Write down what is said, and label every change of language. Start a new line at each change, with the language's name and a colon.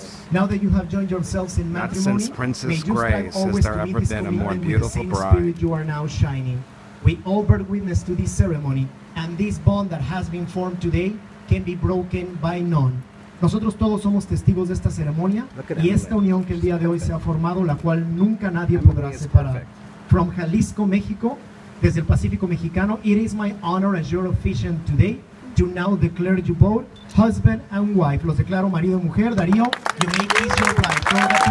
English: Now that you have joined yourselves in matrimony, Princess may you Grace, strive always to meet this commitment with the same bride. Spirit you are now shining. We all bear witness to this ceremony, and this bond that has been formed today can be broken by none.
Spanish: Nosotros todos somos testigos de esta ceremonia y esta unión que el día de hoy se ha formado, la cual nunca nadie podrá separar.
English: From Jalisco, México,
Spanish: desde el Pacífico Mexicano,
English: it is my honor as your officiant today to now declare you both husband and wife.
Spanish: Los declaro marido y mujer.
English: Darío, you may kiss your wife.